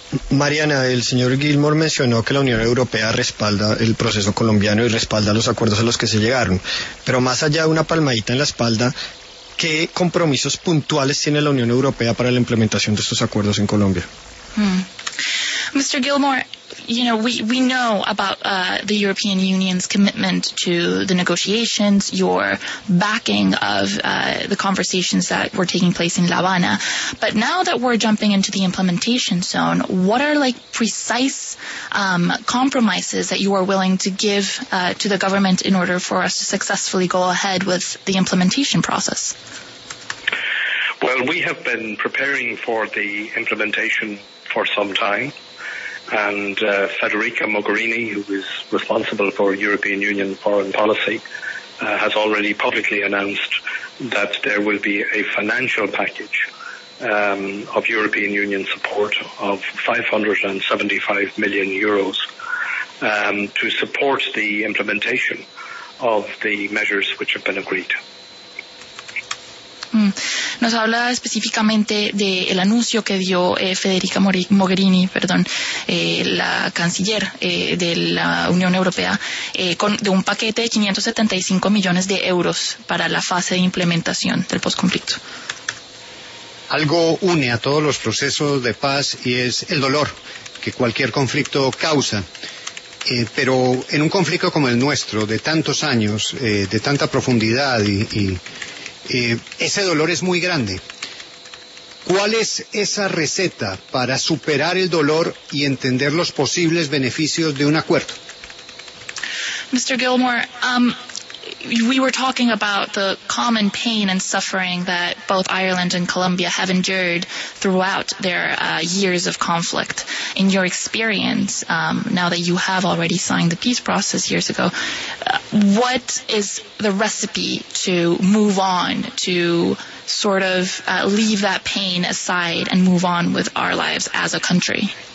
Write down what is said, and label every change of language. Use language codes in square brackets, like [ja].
[es] Mariana, el señor Gilmore mencionó que la Unión Europea respalda el proceso colombiano y respalda los acuerdos a los que se llegaron. Pero más allá de una palmadita en la espalda, ¿qué compromisos puntuales tiene la Unión Europea para la implementación de estos acuerdos en Colombia? [en] Mr. Gilmore, you know, we know about the European Union's commitment to the negotiations, your backing of the conversations that were taking place in La Habana. But now that we're jumping into the implementation zone, what are like precise compromises that you are willing to give to the government in order for us to successfully go ahead with the implementation process? Well, we have been preparing for the implementation for some time. And Federica Mogherini, who is responsible for European Union foreign policy, has already publicly announced that there will be a financial package of European Union support of €575 million to support the implementation of the measures which have been agreed. [es] Nos habla específicamente del anuncio que dio Federica Mogherini, la canciller de la Unión Europea, de un paquete de €575 millones para la fase de implementación del posconflicto. Algo une a todos los procesos de paz y es el dolor que cualquier conflicto causa. Pero en un conflicto como el nuestro, de tantos años, de tanta profundidad ese dolor es muy grande. ¿Cuál es esa receta para superar el dolor y entender los posibles beneficios de un acuerdo? [en] Mr. Gilmore, we were talking about the common pain and suffering that both Ireland and Colombia have endured throughout their years of conflict. In your experience, now that you have already signed the peace process years ago, what is the recipe to move on, to sort of leave that pain aside and move on with our lives as a country?